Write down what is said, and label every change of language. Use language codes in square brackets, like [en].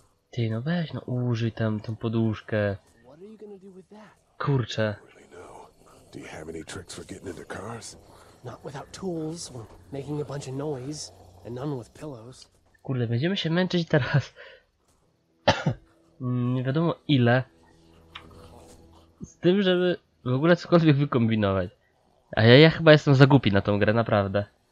[pl] Ty, no weź, no użyj tam tą poduszkę. Kurczę. [en] Do you have any tricks for getting into cars? Not without tools or making a bunch of noise and none with pillows. [pl] Kurde, będziemy się męczyć teraz. Nie wiadomo ile. Z tym, żeby w ogóle cokolwiek wykombinować. A ja chyba jestem za głupi na tą grę, naprawdę.